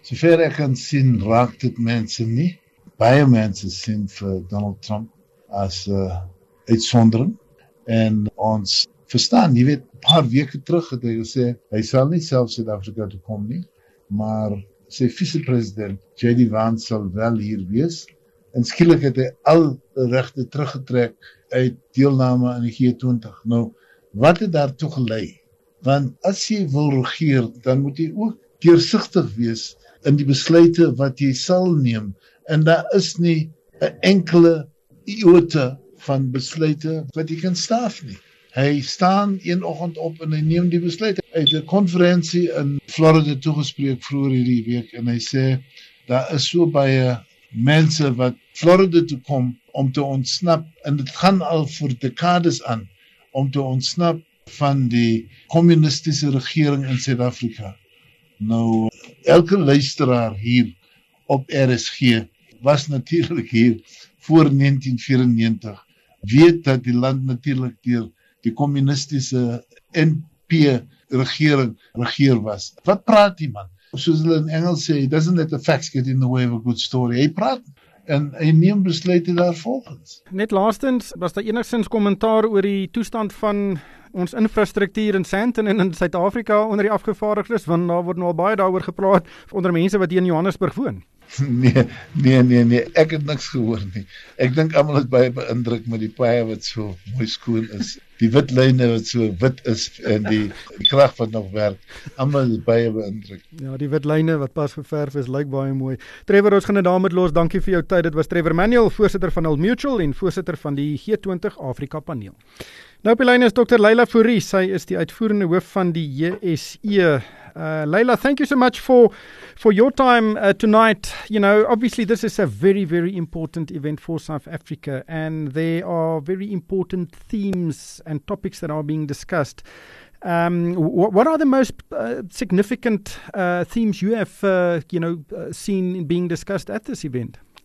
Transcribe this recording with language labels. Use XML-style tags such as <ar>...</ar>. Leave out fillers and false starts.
<af>Sover ek kan sien, raak dit mense nie. Baie mense sien vir Donald Trump as uitsondering. En ons verstaan, jy weet, paar weke terug het hy gesê, hy sal nie self Suid-Afrika toe kom nie, maar sy vice-president, J.D. Vance, sal wel hier wees. En skielik het hy al regte teruggetrek uit deelname aan die G20. Nou, wat het daartoe gelei? Want as jy wil regeer, dan moet jy ook deursigtig wees in die besluite wat jy sal neem. En daar is nie 'n enkele iota van besluite wat jy kan staaf nie. Hy staan een oggend op en hy neem die besluit. Hy het 'n konferensie in Florida toegespreek vroeger hierdie week en hy sê, daar is so baie mense wat Florida toe kom om te ontsnap, en dit gaan al vir dekades aan, om te ontsnap van die communistische regering in Suid-Afrika. Nou, elke luisteraar hier op RSG was natuurlijk hier voor 1994, weet dat die land natuurlijk deur die communistische NP regering regeer was. Wat praat die man? Soos hulle in Engels sê,</af> <en>doesn't let the facts get in the way of a good story.</en> <af>Hy praat en hy neem besluite daar volgens. Net laastens, was daar enigszins kommentaar oor die toestand van ons infrastruktuur in Sandton en in Suid-Afrika onder die afgevaardigdes, want daar word nou al baie daaroor gepraat onder mense wat hier in Johannesburg woon. Nee, ek het niks gehoor nie. Ek dink almal is baie beïndruk met die paaie wat so mooi skoon is, die wit lyne wat so wit is en die krag wat nog werk. Almal is baie beïndruk. Ja, die wit lyne wat pas geverf is, lyk baie mooi. Trevor, ons gaan dit daarmee los. Dankie vir jou tyd. Dit was Trevor Manuel, voorsitter van Old Mutual en voorsitter van die G20 Afrika paneel. Nou op die lyne is Dr. Leila Fourie. Sy is die uitvoerende hoof van die JSE.</af> <en>Leila, thank you so much for your time tonight. You know, obviously this is a very, very important event for South Africa, and there are very important themes and topics that are being discussed. What are the most significant themes you have, seen being discussed at this event?</en>